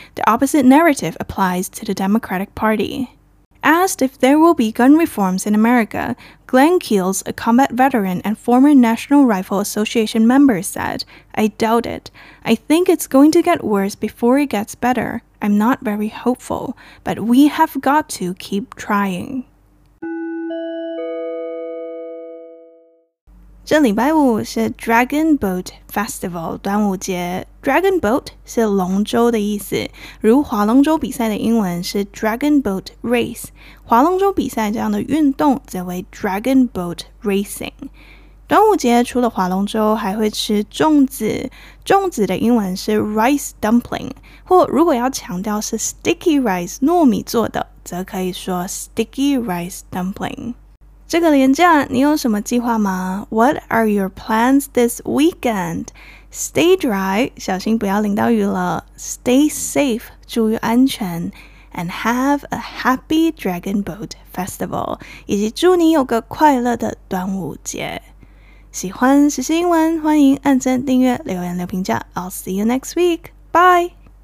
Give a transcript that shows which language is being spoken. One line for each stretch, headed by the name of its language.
English: The opposite narrative applies to the Democratic Party. Asked if there will be gun reforms in America, Glenn Keels, a combat veteran and former National Rifle Association member, said, "I doubt it. I think it's going to get worse before it gets better. I'm not very hopeful, but we have got to keep trying."
Chinese: 这礼拜五是 Dragon Boat Festival 端午节。 Dragon Boat 是龙舟的意思，如划龙舟比赛的英文是 Dragon Boat Race， 划龙舟比赛这样的运动则为 Dragon Boat Racing。端午节除了划龙舟还会吃粽子，粽子的英文是 Rice Dumpling， 或如果要强调是 Sticky Rice 糯米做的则可以说 Sticky Rice Dumpling。这个连假你有什么计划吗？
English: What are your plans this weekend? Stay dry,
Chinese: 小心不要淋到雨了。
English: Stay safe,
Chinese: 注意安全。
English: And have a happy Dragon Boat Festival,
Chinese: 以及祝你有个快乐的端午节。喜欢实时英文，欢迎按赞订阅，留言留评价。
English: I'll see you next week. Bye!